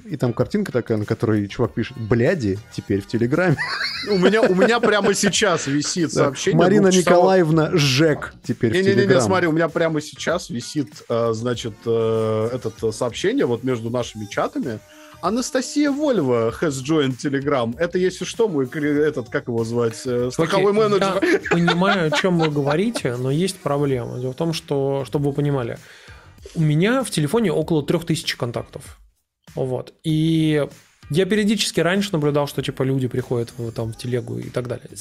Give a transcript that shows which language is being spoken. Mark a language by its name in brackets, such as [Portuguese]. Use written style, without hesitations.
[Russian] И там картинка такая, на которой чувак пишет, бляди, теперь в Телеграме. У меня прямо сейчас висит сообщение. Марина Николаевна ЖЭК теперь в Телеграм. Не, смотри, у меня прямо сейчас висит, значит, это сообщение вот между нашими чатами. [English] Анастасия Вольва has joined Telegram. [Russian] Это, если что, мой, этот, как его звать, страховой менеджер. Я понимаю, о чем вы говорите, но есть проблема. Дело в том, что, чтобы вы понимали, у меня в телефоне около 3000 контактов. Вот. И я периодически раньше наблюдал, что типа люди приходят там в телегу и так далее.